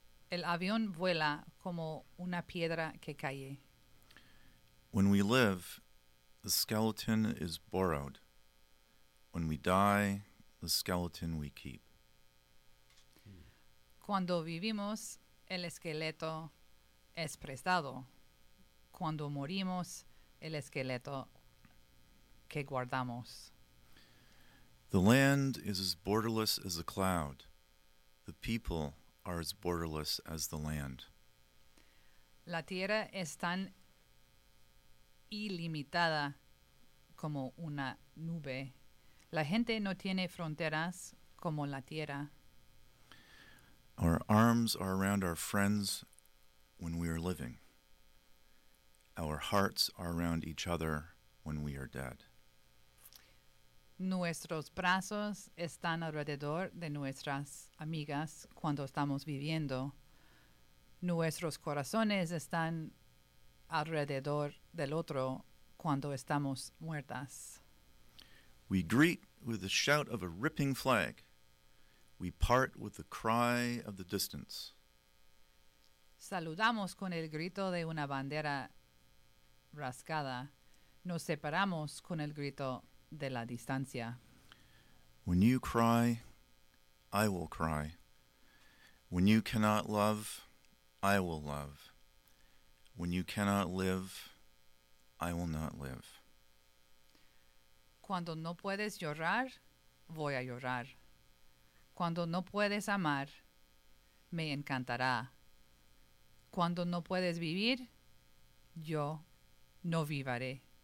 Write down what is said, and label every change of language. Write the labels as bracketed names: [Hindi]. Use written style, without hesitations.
[Spanish] El avión vuela como una piedra que cae. [English] When we live, the skeleton is borrowed. When we die, the skeleton we keep. [Spanish] Cuando vivimos, el esqueleto es prestado. Cuando morimos, el esqueleto que guardamos. [English] The land is as borderless as a cloud. The people are as borderless as the land. [Spanish] La tierra es tan ilimitada como una nube. La gente no tiene fronteras como la tierra. [English] Our arms are around our friends when we are living. Our hearts are around each other when we are dead. [Spanish] Nuestros brazos están alrededor de nuestras amigas cuando estamos viviendo. Nuestros corazones están alrededor del otro cuando estamos muertas. [English] We greet with the shout of a ripping flag. We part with the cry of the distance. [Spanish] Saludamos con el grito de una bandera rasgada. Nos separamos con el grito de la distancia. [English] When you cry, I will cry. When you cannot love, I will love. When you cannot live, I will not live. [Spanish] Cuando no puedes llorar, voy a llorar. Cuando no puedes amar, me encantará. Cuando no puedes vivir, yo no vivaré.